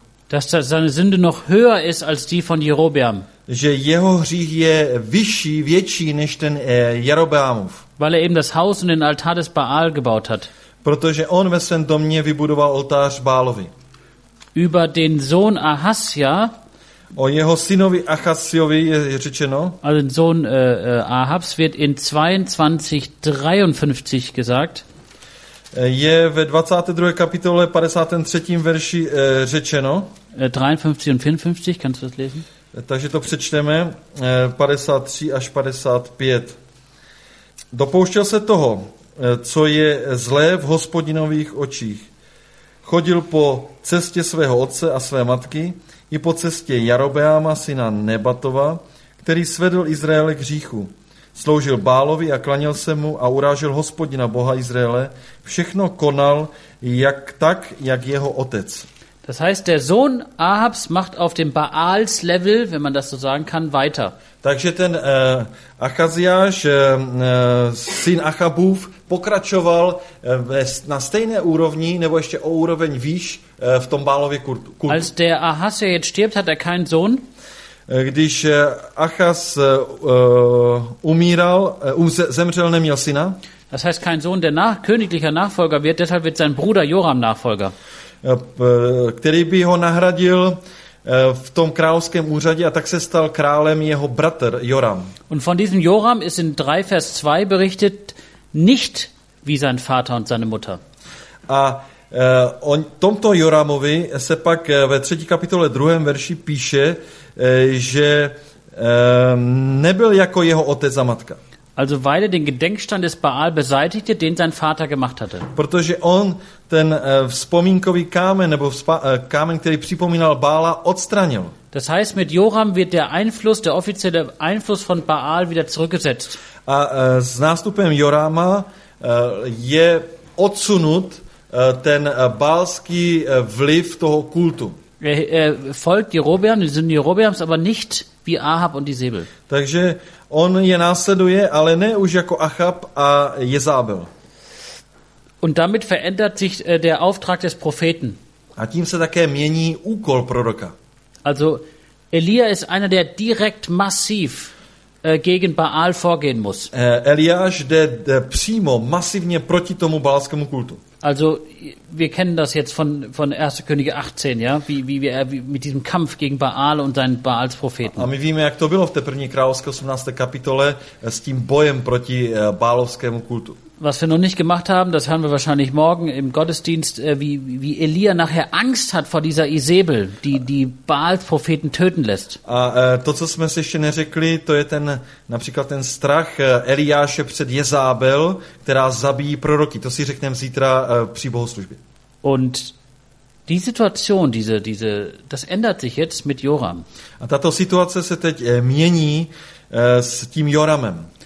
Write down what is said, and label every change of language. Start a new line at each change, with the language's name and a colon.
German: dass seine Sünde noch höher ist als die von Jerobeam.
Czech: Že jeho hřích je vyšší, větší než ten Jarobeamův.
German: Weil er eben das Haus und den Altar des Baal gebaut hat.
Czech: Protože on ve svém domě vybudoval oltář Bálovi.
German: Über den Sohn Ahasja.
Czech: O jeho synovi Achasjovi je řečeno.
German: Also den Sohn Ahabs wird in 22:53 gesagt.
Czech: Je ve 22. kapitole 53. verši řečeno.
German: 53 und 54, kannst du das lesen?
Czech: Takže to přečteme, 53 až 55. Dopouštěl se toho, co je zlé v Hospodinových očích. Chodil po cestě svého otce a své matky i po cestě Jarobeáma, syna Nebatova, který svedl Izraele k hříchu. Sloužil Bálovi a klanil se mu a urážel Hospodina Boha Izraele. Všechno konal jak tak, jak jeho otec.
German: Das heißt, der Sohn Ahabs macht auf dem Baals Level, wenn man das so sagen kann, weiter.
Czech: Takže ten Achaziáš, syn Achabův, pokračoval na stejné úrovni nebo ještě o úroveň výš v tom Bálově kultu.
German: Als der Ahasja jetzt stirbt, hat keinen Sohn.
Czech: Když Achas umíral, zemřel, neměl syna.
German: Das heißt, kein Sohn, der königlicher Nachfolger wird, deshalb wird sein Bruder Joram Nachfolger.
Czech: Který by ho nahradil v tom královském úřadě a tak se stal králem jeho bratr Joram.
German: Und von diesem Joram ist in 3 Vers 2 berichtet nicht wie sein Vater und seine Mutter.
Czech: A on tomto Joramovi se pak ve 3. kapitole 2. verši píše, že nebyl jako jeho otec a matka.
German: Also weil er den Gedenkstein des Baal beseitigte, den sein Vater gemacht hatte.
Czech: Protože on ten vzpomínkový kámen nebo kámen, který připomínal Bála, odstranil.
German: Das heißt, mit Joram wird der Einfluss, der offizielle Einfluss von Baal wieder zurückgesetzt.
Czech: A s nástupem Jorama je odsunut ten baalský vliv toho kultu.
German: Er folgt Jerobeam, die Sünden Jerobeams, aber nicht wie Ahab und Jezebel.
Czech: Takže on je následuje, ale ne už jako Achab a Jezábel.
German: Und damit verändert sich der Auftrag des Propheten.
Czech: A tím se také mění úkol proroka.
German: Also Elia ist einer, der direkt massiv gegen Baal vorgehen muss.
Czech: Eliáš jde přímo masivně proti tomu baalskému kultu.
German: Also wir kennen das jetzt von 1. Könige 18, ja, wie mit diesem Kampf gegen Baal und seinen Baalspropheten.
Czech: A my víme, jak to bylo v té první královské 18. kapitole s tím bojem proti baalovskému kultu.
German: Was wir noch nicht gemacht haben, das hören wir wahrscheinlich morgen im Gottesdienst, wie Elia nachher Angst hat vor dieser Isabel, die Baalspropheten töten lässt.
Czech: A to, co jsme si ještě neřekli, to je ten například ten strach Eliáše před Jezábel, která zabíjí proroky. To si řekneme zítra při bohoslužbě.
German: Und die Situation, diese das ändert sich jetzt mit Joram.
Czech: A tato situace se teď mění s tím Joramem.